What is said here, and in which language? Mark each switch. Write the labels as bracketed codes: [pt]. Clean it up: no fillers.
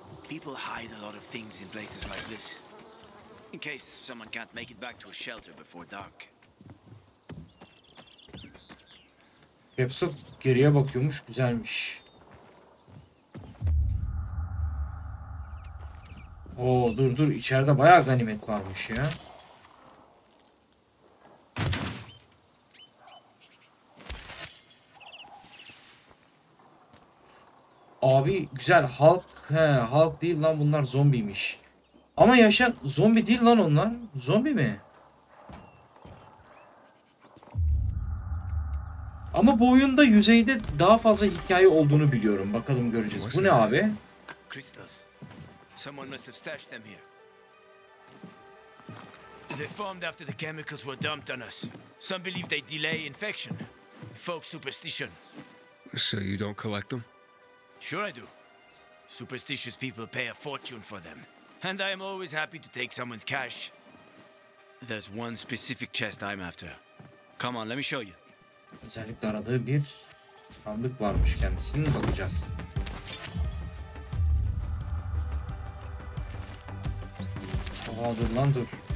[en] People hide a lot of things in places like this, in case someone can't make it back to a shelter before dark. [tr] Hepsi geriye bakıyormuş, güzelmiş. Oo, dur dur, içeride bayağı ganimet varmış ya. Abi güzel, halk. He, halk değil lan bunlar, zombiymiş. Ama yaşa, zombi değil lan onlar. Zombi mi? Ama bu oyunda yüzeyde daha fazla hikaye olduğunu biliyorum. Bakalım, göreceğiz. Bu ne abi? [en] Crystals. Someone must have stashed them here. They formed after the chemicals were dumped on us. Some believe they delay infection. Folk superstition. So you don't collect them? Sure I do. Superstitious people pay a fortune for them. And I am always happy to take someone's cash. There's one specific chest I'm after. Come on, let me show you. [tr] Özellikle aradığı bir sandık varmış kendisinin. Bakacağız. Oha, dur lan dur.